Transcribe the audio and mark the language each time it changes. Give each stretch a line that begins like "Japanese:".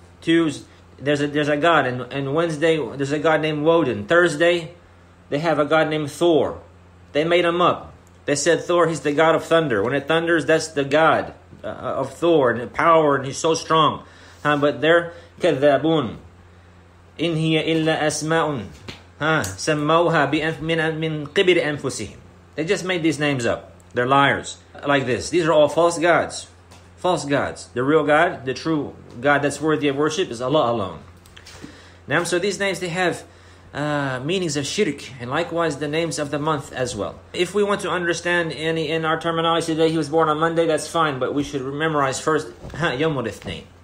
English: There's a god. And Wednesday, there's a god named Woden. Thursday, they have a god named Thor. They made him up. They said Thor, he's the god of thunder. When it thunders, that's the god of Thor and power, and he's so strong. But they're
Arabic: كذابون. إن هي إلا أسماء سموها من قبل أنفسهم.
English: They just made these names up. They're liars. Like this. These are all false gods. False gods. The real God, the true God that's worthy of worship, is Allah alone. Now, so these names, they have meanings of shirk, and likewise the names of the month as well. If we want to understand any in our terminology today, he was born on Monday, that's fine, but we should memorize first Yawm al-Ithnain.